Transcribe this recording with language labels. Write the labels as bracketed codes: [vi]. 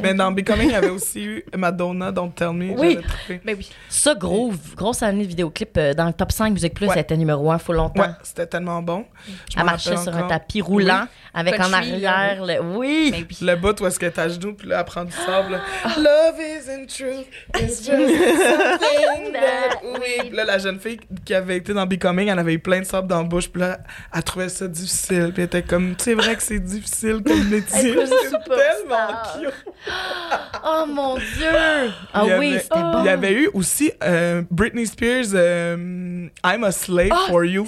[fr] Mais dans Becoming, il y avait aussi eu Madonna, Don't Tell Me. Oui, mais oui. Ça, grosse année de vidéoclip dans le top 5 Musique Plus, ouais. Elle était numéro 1 full longtemps. Ouais, c'était tellement bon. Elle marchait sur un tapis roulant, oui. Avec en arrière, le... Oui! Le bout où est-ce qu'elle est à genoux, puis là, elle prend du sable. Ah. [en] Love isn't true, it's just something that we... [fr] Puis là, la jeune fille qui avait été dans Becoming, elle avait eu plein de sable dans la bouche, puis là, elle trouvait ça difficile, puis elle était comme, c'est vrai que c'est difficile. Comme métier. C'est tellement cute. Oh mon Dieu! Ah avait, oui, c'était bon. Il y avait eu aussi Britney Spears, I'm a Slave for You.